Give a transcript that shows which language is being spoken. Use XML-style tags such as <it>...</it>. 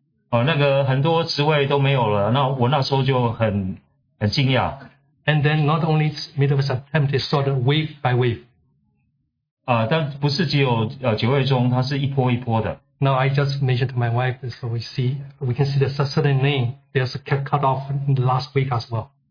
<zh>那个很多职位都没有了，那我那时候就很惊讶。</zh> <en>And then not only middle of September, it's sort of wave by wave.</en> <zh>但不是只有九月中，它是一波一波的。</zh> <en>Now I just mentioned to my wife, so we can see the certain name that's cut off in the last week as well.</en>